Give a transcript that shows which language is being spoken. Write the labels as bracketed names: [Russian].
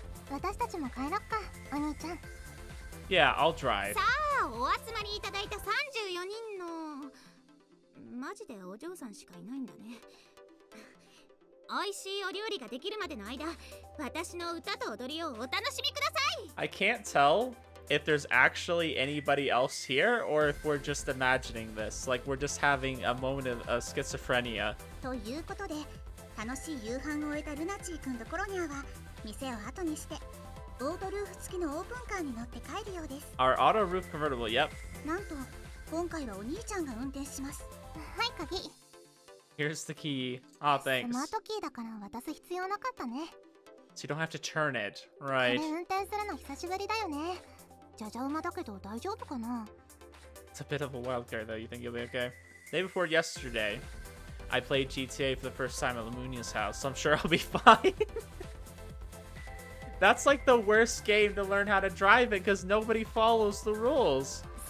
[Japanese] 私たちも帰ろっか、お兄ちゃん。 [English] Yeah, I'll drive. [Japanese] さあ、お集まりいただいた34人の…マジでお嬢さんしかいないんだね。おいしいお料理ができるまでの間、私の歌と踊りをお楽しみください。 [English] I can't tell. If there's actually anybody else here, or if we're just imagining this, like we're just having a moment of schizophrenia. [Japanese] ということで、楽しい夕飯を終えたルナチー君とコロニアは店を後にして、オートルーフ付きのオープンカーに乗って帰るようです。 [English] Our auto roof convertible, yep. [Japanese] なんと、今回はお兄ちゃんが運転します。はい、鍵。 [English] Here's the key. Ah, thanks. [Japanese] スマートキーだから渡す必要なかったね。 [English] So you don't have to turn it, right? [Japanese] これ運転するの久しぶりだよね。ジャジャ馬だけど大丈夫かな? [English] It's a bit of a wild card though. You think you'll be okay? Day before yesterday, I played GTA for the first time at Lamunia's house, so I'm sure I'll be fine. That's like the worst game to learn how to drive in because nobody follows the rules.